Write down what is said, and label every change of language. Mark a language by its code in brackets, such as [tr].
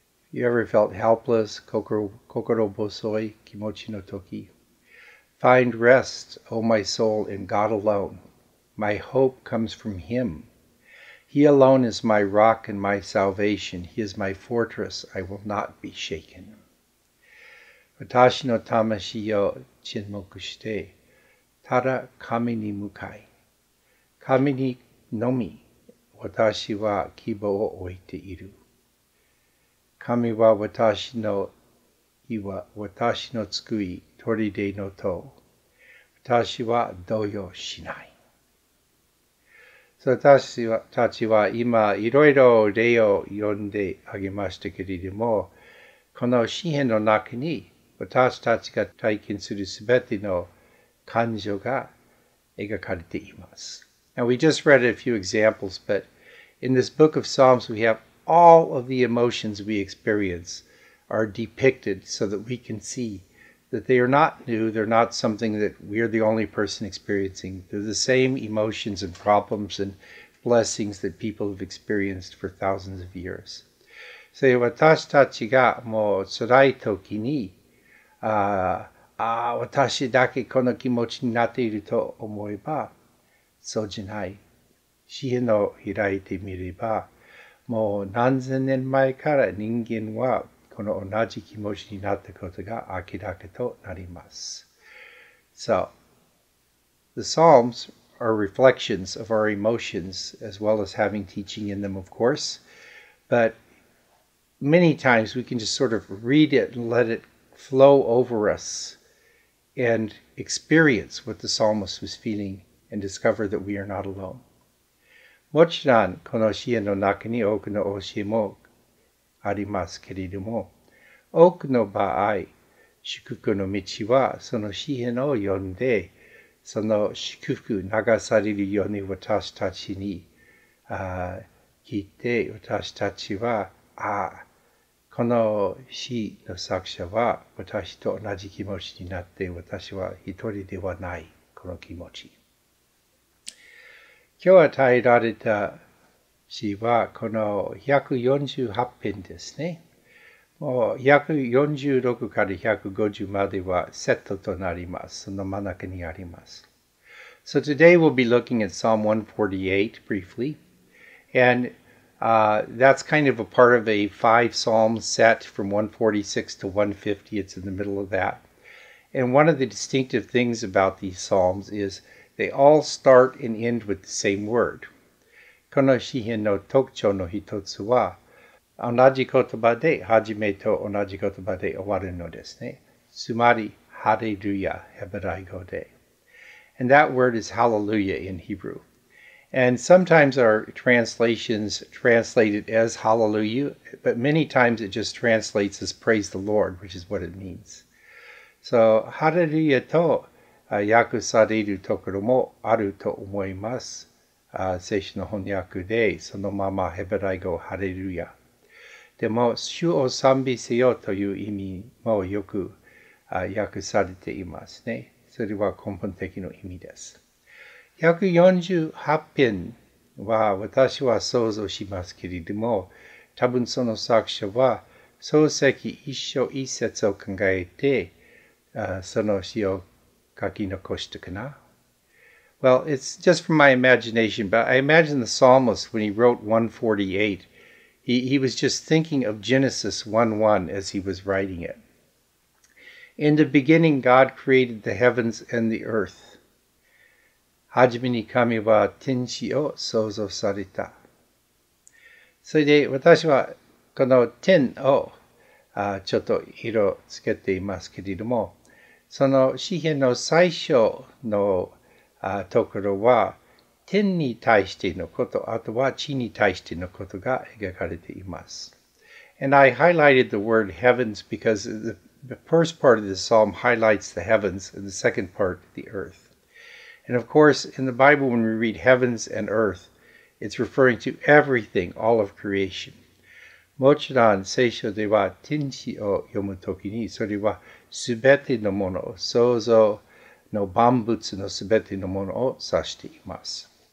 [en] You ever felt helpless, kokoro bosoi, kimochi no toki? Find rest, O my soul, in God alone. My hope comes from Him. He alone is my rock and my salvation. He is my fortress. I will not be shaken. [ja] 私の魂を沈黙して、ただ神に向かい。神にのみ、私は希望を置いている。神は私の救い、砦の塔。私は動揺しない。私たちは今いろいろ例を読んであげましたけれども、この詩編の中に私たちが体験するすべての感情が描かれています。 [en] Now we just read a few examples, but in this book of Psalms we have all of the emotions we experience are depicted so that we can see that they are not new, they're not something that we are the only person experiencing. They're the same emotions and problems and blessings that people have experienced for thousands of years. [ja] So, 私たちがもう辛い時に、私だけこの気持ちになっていると思えば、そうじゃない。詩篇を開いてみれば、もう何千年前から人間はこの同じ気持ちになったことが明らかとなります。 [en] So, the Psalms are reflections of our emotions as well as having teaching in them, of course. But many times we can just sort of read it and let it flow over us and experience what the psalmist was feeling and discover that we are not alone. [ja] もちろん、この詩篇の中に多くの教えもありますけれども、多くの場合、祝福の道はその詩篇を読んで、その祝福流されるように私たちに聞いて、私たちは、ああ、この詩の作者は私と同じ気持ちになって、私は一人ではない、この気持ち。今日与えられた詩はこの148編ですね。もう146から150まではセットとなります。その真ん中にあります。 [en] So today we'll be looking at Psalm 148 briefly. And that's kind of a part of a five psalm set from 146 to 150. It's in the middle of that. And one of the distinctive things about these psalms is,They all start and end with the same word. [ja] この詩篇の特徴の一つは、同じ言葉で始めと同じ言葉で終わるのですね。つまり、ハレルヤ、ヘブライ語で。 [en] And that word is hallelujah in Hebrew. And sometimes our translations translate it as hallelujah, but many times it just translates as praise the Lord, which is what it means. [ja] So, ハレルヤと訳されるところもあると思います。聖書の翻訳で、そのままヘブライ語ハレルヤ。でも、主を賛美せよという意味もよく訳されていますね。それは根本的の意味です。148編は私は想像しますけれども、多分その作者は創世記一章一節を考えて、その詩を書き残したかな? [en] Well, it's just from my imagination, but I imagine the psalmist, when he wrote 148, he was just thinking of Genesis 1:1 as he was writing it. In the beginning, God created the heavens and the earth. [ja] はじめに神は天地を創造された。それで私はこの天をちょっと色つけていますけれども、その詩篇の最初のところは天に対してのこと、あとは地に対してのことが描かれています。 [en] And I highlighted the word heavens because the first part of the psalm highlights the heavens and the second part the earth. And of course, in the Bible when we read heavens and earth, it's referring to everything, all of creation. [ja] もちろん、聖書では天地を読むときに、それはすべてのもの、創造の万物のすべてのものを指しています。